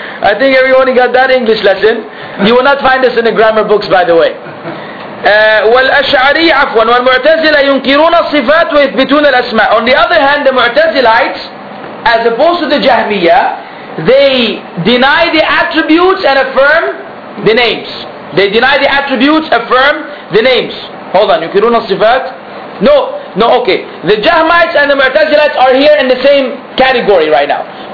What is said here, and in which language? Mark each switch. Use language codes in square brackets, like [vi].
[en] I think everyone got that English lesson. You will not find this in the grammar books, by the way. [ar] والأشعري عفوا والمعتزلة ينكرون الصفات ويثبتون الأسماء. [en] On the other hand, the معتزلites, as opposed to the جهمية, they deny the attributes and affirm the names. They deny the attributes, affirm the names. Hold on, [ar] yunkiruna sifat? [en] No, okay. The Jahmites and the Mu'tazilites are here in the same category right now.